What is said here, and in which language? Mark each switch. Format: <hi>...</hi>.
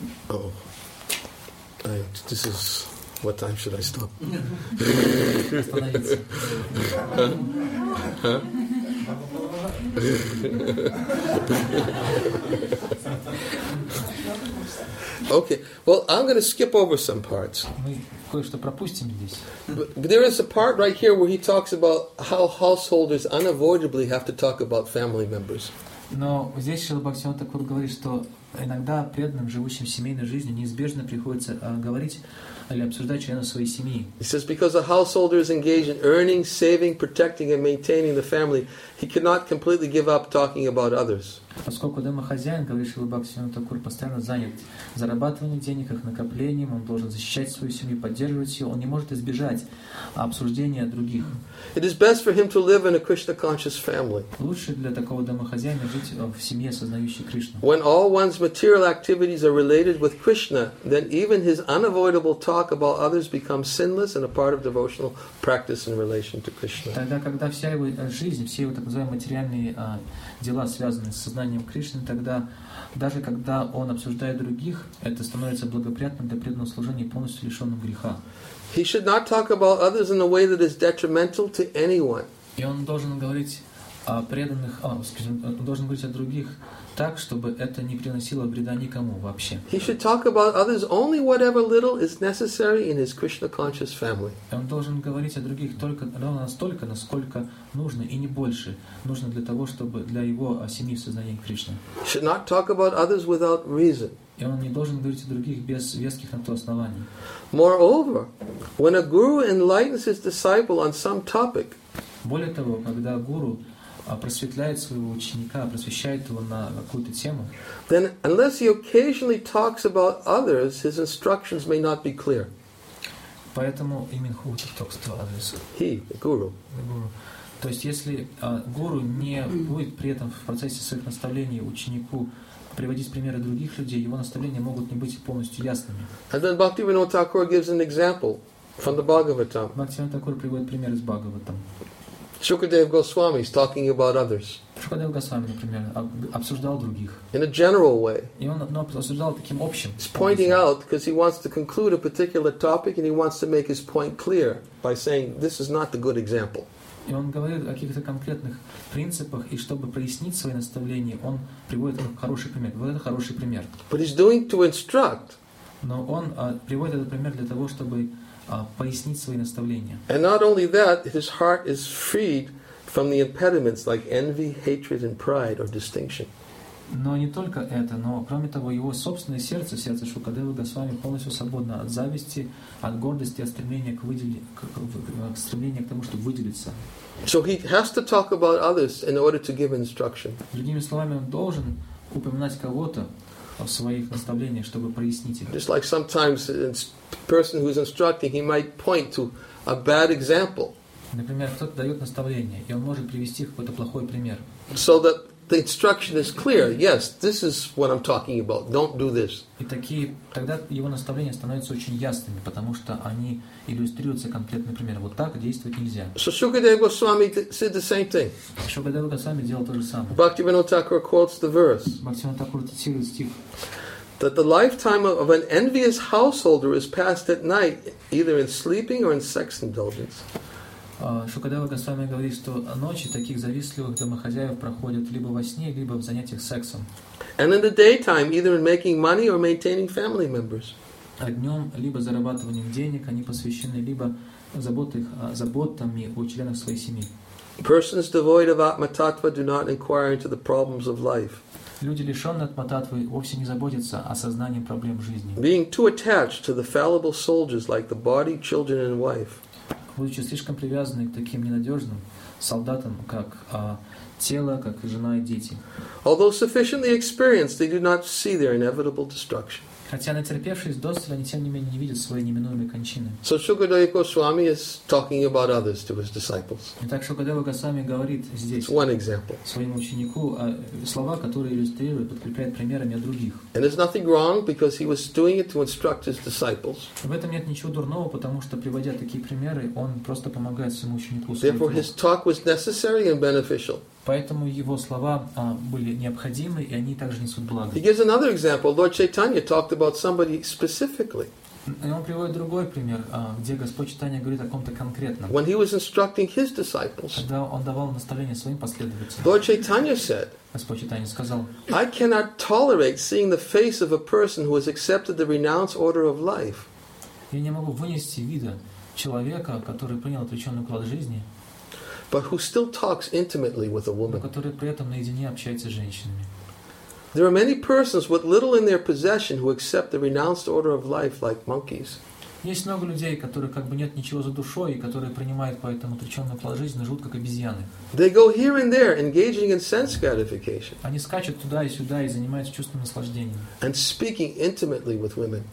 <en>Oh, this is what time should I stop? Okay. Well, I'm going to skip over some parts.</en> <ru>Мы кое-что пропустим здесь.</ru> <en>But there is a part right here where he talks about how householders unavoidably have to talk about family members.</en> <ru>Но здесь Шрила Бхактисиддханта Тхакура говорит, что иногда преданным, живущим семейной жизнью, неизбежно приходится говорить или обсуждать членов своей семьи.</ru> <en>He says because a householder is engaged in earning, saving, protecting, and maintaining the family, he cannot completely give up talking about others.</en> <ru>Поскольку домохозяин, говорит Шрила Бхактисиддханта Тхакура, постоянно занят зарабатыванием денег, их накоплением, он должен защищать свою семью, поддерживать ее, он не может избежать обсуждения других.</ru> <en>It is best for him to live in a Krishna-conscious family.</en> <ru>Лучше для такого домохозяина жить в семье, сознающей Кришну.</ru> <en>When all one's material activities are related with Krishna, then even his unavoidable talk about others becomes sinless and a part of devotional practice in relation to Krishna.</en> <ru>Тогда, когда вся его жизнь, все его так называемые материальные дела связаны с знанием Кришны, тогда даже когда он обсуждает других, это становится благоприятным для преданного служения и полностью лишенным греха.</ru> <en>He should not talk about others in a way that is detrimental to anyone.</en> <ru>И он должен говорить о преданных, он должен говорить о других так, чтобы это не приносило вреда никому вообще.</ru> <en>He should talk about others only whatever little is necessary in his Krishna-conscious family.</en> <ru>Он должен говорить о других только ровно настолько, насколько нужно и не больше, нужно для того, чтобы для его семьи в сознании Кришны.</ru> <en>He should not talk about others without reason.</en> <ru>И он не должен говорить о других без веских на то оснований.</ru> <en>Moreover, when a guru enlightens his disciple on some topic,</en> <ru>более того, когда гуру просветляет своего ученика, просвещает его на какую-то тему,</ru> <en>then unless he occasionally talks about others, his instructions may not be clear.</en> <ru>Поэтому именно</ru> <en>who talks to others? He, the guru.</en> <ru>То есть если гуру не будет при этом в процессе своих наставлений ученику приводить примеры других людей, его наставления могут не быть полностью ясными.</ru> <en>And then Bhaktivinoda Thakura gives an example from the Bhagavatam.</en> <ru>Bhaktivinoda Thakura приводит пример из Бхагаватам.</ru> <en>Shukadev Goswami is talking about others.</en> <ru>Shukadev Goswami, например, обсуждал других.</ru> <en>In a general way.</en> <ru>И он, но обсуждал таким общим.</ru> <en>He's pointing out because he wants to conclude a particular topic and he wants to make his point clear by saying this is not the good example.</en> <ru>И он говорит о каких-то конкретных принципах, и чтобы прояснить свои наставления, он приводит хороший пример. Вот это хороший пример.</ru> <en>But he's doing to instruct.</en> <ru>Но он приводит этот пример для того, чтобы пояснить свои наставления.</ru> <en>And not only that, his heart is freed from the impediments like envy, hatred, and pride or distinction.</en> <ru>Но не только это, но кроме того, его собственное сердце, сердце Шукадева Госвами, полностью свободно от зависти, от гордости, от стремления к стремления к тому, чтобы выделиться.</ru> <en>So he has to talk about others in order to give instruction.</en> <ru>Другими словами, он должен упоминать кого-то в своих наставлениях, чтобы прояснить их.</ru> <en>Just like sometimes a person who's instructing, he might point to a bad example.</en> <ru>Например, кто-то дает наставление, и он может привести какой-то плохой пример.</ru> <en>So that the instruction is clear. Yes, this is what I'm talking about. Don't do this.</en> <ru>И такие, тогда его наставления становятся очень ясными, потому что они иллюстрируются конкретным примером. Вот так действовать нельзя.</ru> <en>So Shukadeva Goswami said the same thing.</en> <ru>Шукадева Госвами делал то же самое.</ru> <en>Бхактивинода Тхакура quotes the verse.</en> <ru>Бхактивинода Тхакура цитирует стих.</ru> <en>That the lifetime of an envious householder is passed at night, either in sleeping or in sex indulgence.</en> <ru>Шукадева Госвами говорит, что ночи таких завистливых домохозяев проходят либо во сне, либо в занятиях сексом.</ru> <en>And in the daytime, either in making money or maintaining family members.</en> <ru>А днем либо зарабатыванием денег, они посвящены либо заботами о членах своей семьи.</ru> <en>Persons devoid of Atmatattva do not inquire into the problems of life.</en> <ru>Люди, лишённые Атмататвы, вовсе не заботятся о сознании проблем жизни.</ru> <en>Being too attached to the fallible soldiers like the body, children and wife.</en> <ru>Будучи слишком привязаны к таким ненадежным солдатам, как тело, как жена и дети.</ru> <en>Although sufficiently experienced, they do not see their inevitable destruction.</en> <ru>Хотя натерпевшись досыта, они тем не менее не видят своей неминуемой кончины.</ru> <en>So Shukadeva Goswami is talking about others to his disciples.</en> <ru>Итак, Шукадева Госвами говорит здесь.</ru> <en>It's one example.</en> <ru>Своему ученику слова, которые иллюстрируют, подкрепляют примерами о других.</ru> <en>And there's nothing wrong because he was doing it to instruct his disciples.</en> <ru>В этом нет ничего дурного, потому что приводя такие примеры, он просто помогает своему ученику.</ru> <en>Therefore, his talk was necessary and beneficial.</en> <ru>Поэтому его слова были необходимы, и они также несут благо.</ru> <en>He gives another example. Lord Chaitanya talked about somebody specifically.</en> <ru>И он приводит другой пример, где Господь Читания говорит о ком-то конкретном.</ru> <en>When he was instructing his disciples,</en> <ru>когда он давал наставление своим последователям,</ru> <en>Lord Chaitanya said,</en> <ru>Господь Читания сказал,</ru> <en>I cannot tolerate seeing the face of a person who has accepted the renounced order of life.</en> <ru>Я не могу вынести вида человека, который принял отреченный уклад жизни,</ru> <en>but who still talks intimately with a woman.</en> <ru>Который при этом наедине общается с женщинами.</ru> <en>There are many persons with little in their possession who accept the renounced order of life like monkeys.</en> <ru>Есть много людей, которые как бы нет ничего за душой и которые принимают поэтому отреченный уклад жизни, живут как обезьяны.</ru> <en>They go here and there, engaging in sense gratification.</en> <ru>Они скачут туда и сюда и занимаются чувственным наслаждением.</ru> <en>And speaking intimately with women.</en>